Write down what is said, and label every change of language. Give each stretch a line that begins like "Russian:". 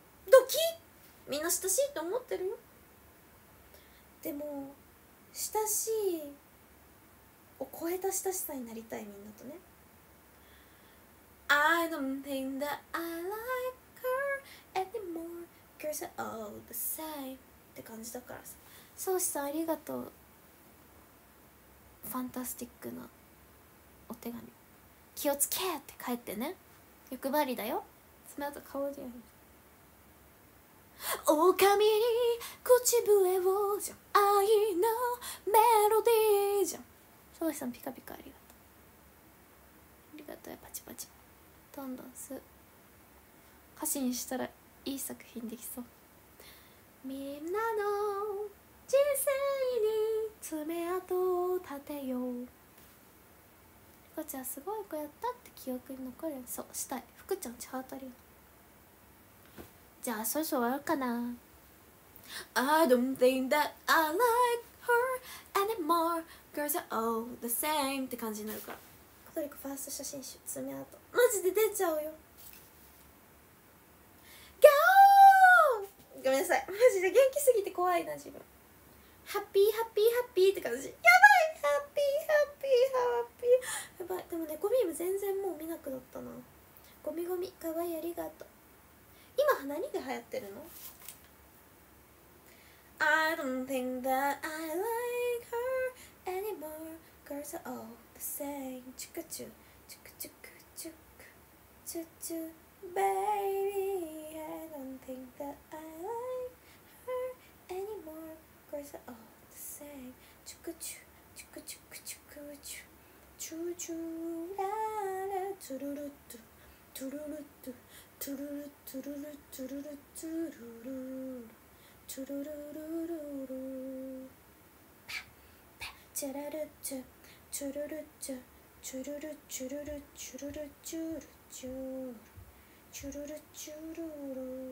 Japanese: ドキッ。みんな親しいって思ってるよ。でも親しいを超えた親しさになりたいみんなとね。
English: I don't think that I like her anymore cause they're all the same
Japanese: って感じだからさ。ソーシさんありがとう。ファンタスティックなお手紙。気をつけって帰ってね。欲張りだよ。爪痕顔でやる。狼に口笛をじゃん。愛のメロディーじゃん。ソーシさんピカピカありがとう。ありがとうパチパチ。どんどんす歌詞にしたらいい作品できそう。みんなの人生に爪痕を立てよう。リコちゃんすごい子やったって記憶に残る。そうしたい。福ちゃんちハートリー。じゃあそろそろ終わるかな。
English: I don't think that I like her anymore girls are all the same
Japanese: って感じになるから。とにかくファースト写真集爪痕マジで出ちゃうよ。ガオーごめんなさい。マジで元気すぎて怖いな自分。ハッピーハッピーハッピーって感じ。やばい。ハッピーハッピーハッピーやばい。でもねゴミも全然もう見なくなったな。ゴミゴミかわいいありがとう。今何で流行ってるの。
English: I don't think that I like her anymore girls are allチュクチュチュクチュクチュクチュチュ Baby I don't think that I like her anymore girls are all the same チュクチュチュクチュクチュクチュチュチュラーラツルルッドトゥルルトゥトゥルルトゥルルトゥルルトゥルルトゥルルルルルチャラルチャチュルルチャチュルルチュルルチュルルチュルチュルチュルルチュルル